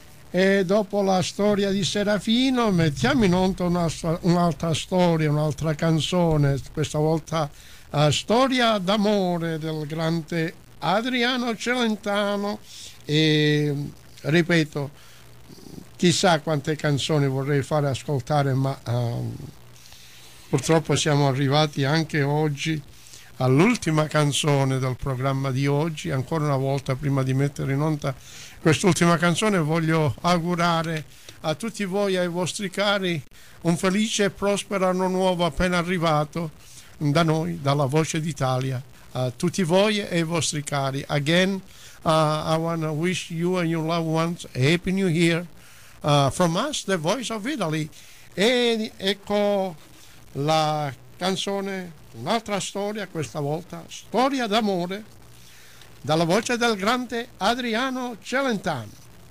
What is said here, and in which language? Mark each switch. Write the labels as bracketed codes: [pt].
[it] E dopo la storia di Serafino mettiamo in onto un'altra storia, un'altra canzone, questa volta la storia d'amore del grande Adriano Celentano, e ripeto, chissà quante canzoni vorrei fare ascoltare, ma purtroppo siamo arrivati anche oggi all'ultima canzone del programma di oggi. Ancora una volta, prima di mettere in onda quest'ultima canzone, voglio augurare a tutti voi e ai vostri cari un felice e prospero anno nuovo appena arrivato da noi, dalla Voce d'Italia, a tutti voi e ai vostri cari. [en] Again, I want to wish you and your loved ones a happy new year from us, the Voice of Italy. [it] E ecco la canzone, un'altra storia, questa volta storia d'amore, dalla voce del grande Adriano Celentano.